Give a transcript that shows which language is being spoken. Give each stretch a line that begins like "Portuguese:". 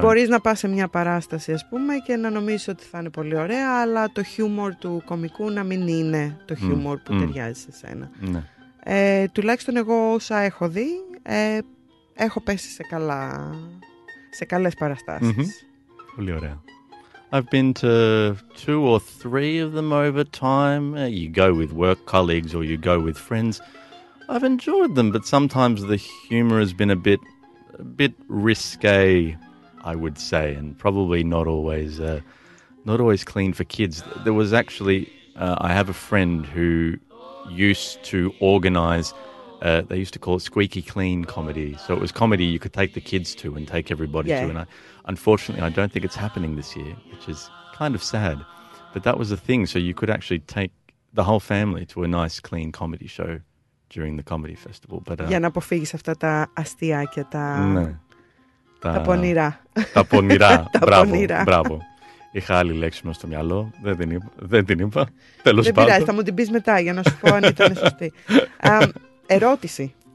Greek: μπορείς να πας σε μια παράσταση, ας πούμε, και να νομίζεις ότι θα είναι πολύ ωραία, αλλά το χιούμορ του κωμικού να μην είναι το χιούμορ που ταιριάζει σε σένα. Ναι. Τουλάχιστον εγώ όσα έχω δει, έχω πέσει σε καλά, σε καλές παραστάσεις. Mm-hmm. Πολύ ωραία.
English: I've been to two or three of them over time. You go with work colleagues or you go with friends. I've enjoyed them, but sometimes the humor has been a bit risque, I would say, and probably not always clean for kids. There was actually, I have a friend who... used to organize, they used to call it squeaky clean comedy. So it was comedy you could take the kids to and take everybody to. And I unfortunately don't think it's happening this year, which is kind of sad. But that was the thing. So you could actually take the whole family to a nice clean comedy show during the comedy festival. But
Greek: για να αποφύγεις αυτά τα αστεία και τα... Ναι. Τα πονηρά. Τα πονηρά. Μπράβο. Είχα άλλη λέξη μου στο μυαλό, δεν την είπα. Τέλος πάντων. Δεν πειράζει, θα μου την πεις μετά για να σου πω αν ήταν σωστή. Ερώτηση.